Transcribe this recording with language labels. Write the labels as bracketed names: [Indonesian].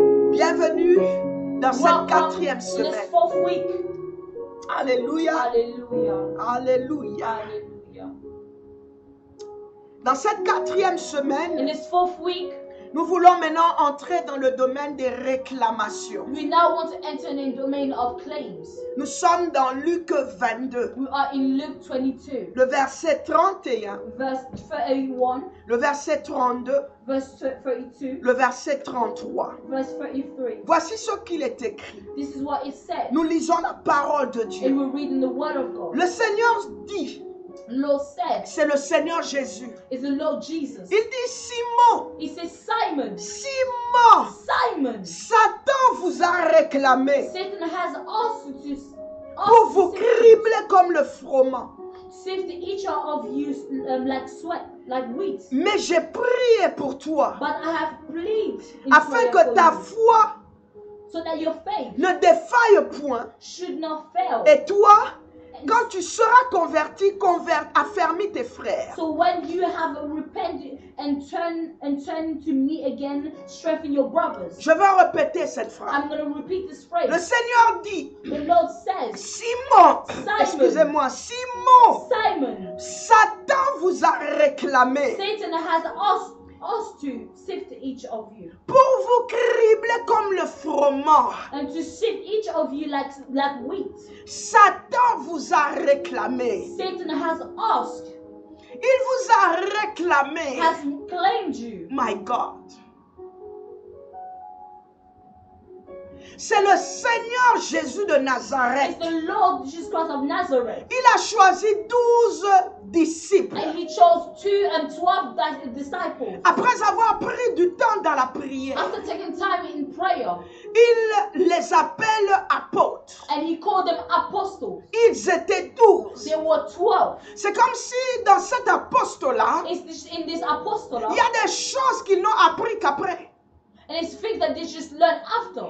[French] Bienvenue dans cette quatrième semaine. [English] This fourth week. [French] Alléluia. [English] Alléluia. [French] Alléluia. [English] Alléluia. [French] Dans cette quatrième semaine. [English] In this fourth week. [French] Nous voulons maintenant entrer dans le domaine des réclamations. [English] We now want to enter in the domain of claims. [French] Nous sommes dans Luc 22. [English] We are in Luke 22. [French] Le verset 31. [English] Verse 31. [French] Le verset 32. [English] Verse 32. [French] Le verset 33. [English] Verse 33. [French] Voici ce qu'il est écrit. [English] This is what it says. [French] Nous lisons la parole de Dieu. [English] And we're reading the word of God. [French] Le Seigneur dit. [English] Lord said, [French] c'est le Seigneur Jésus. [English] Is the Lord Jesus. [French] Il dit Simon. [English] He says Simon. [French] Simon. [English] Simon. [French] Satan vous a réclamé. [English] Satan has asked you. [French] Pour vous cribler comme le froment. [English] Saved each of you like sweat, like wheat. [French] Mais j'ai prié pour toi. [English] But I have prayed. [French] Afin que ta foi. [English] So that your faith. [French] Ne défaille point. [English] Should not fail. [French] Et toi. Quand tu seras converti, affermis tes frères. [English] So when you have repented and turned to me again, strengthen your brothers. [French] Je vais répéter cette phrase. [English] I'm going to repeat this phrase. [French] Le Seigneur dit. [English] The Lord says. [French] Simon. [English] Simon. [French] Excusez-moi, Simon. [English] Simon. [French] Satan vous a réclamé. [English] Satan has asked to sift each of you. [French] Pour vous cribler comme le froment. [English] And to sift each of you like wheat. [French] Satan vous a réclamé. [English] Satan has asked. [French] Il vous a réclamé. [English] Has claimed you. My God. [French] C'est le Seigneur Jésus de Nazareth. [English] It's the Lord Jesus Christ of Nazareth. [French] Il a choisi 12 disciples. [English] And he chose 2 and 12 disciples. [French] Après avoir pris du temps dans la prière. [English] After taking time in prayer. [French] Il les appelle apôtres. [English] And he called them apostles. [French] Ils étaient 12. [English] They were 12. [French] C'est comme si dans cet apostolat. [English] In this apostolat. [French] Il y a des choses qu'ils n'ont appris qu'après. [English] And it's things that they just learned after.